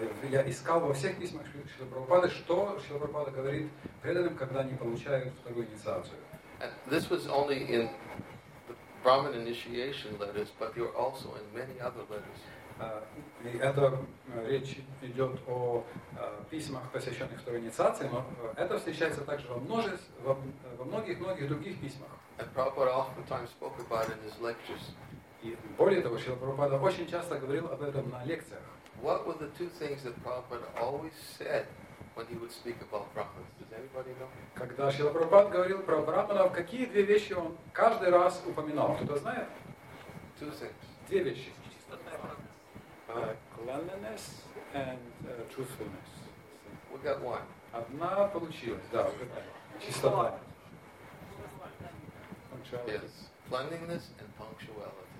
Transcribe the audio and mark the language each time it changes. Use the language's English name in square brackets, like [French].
[Russian] Я искал во всех письмах Шрилы Прабхупады, что Шрила Прабхупада говорит преданным, когда они получают вторую инициацию. [English] And this was only in Brahman initiation letters, but they were also in many other letters. [Russian] Это речь идет о письмах, посвященных второй инициации, но это встречается также во многих-многих других письмах. [English] And Prabhupada oftentimes spoke about it in his lectures. [Russian] И более того, Шрила Прабхупада очень часто говорил об этом на лекциях. [English] What were the two things that Prabhupada always said when he would speak about Brahmins? Does anybody know? [Russian] Когда Шрила Прабхупада говорил про Брахманов, какие две вещи он каждый раз упоминал? Кто-то знает? [English] Two things. [Russian] Две вещи. [English] Cleanliness and truthfulness. We got one. [Russian] Одна получилась, да. Чистота. [English] Yes. Cleanliness and punctuality.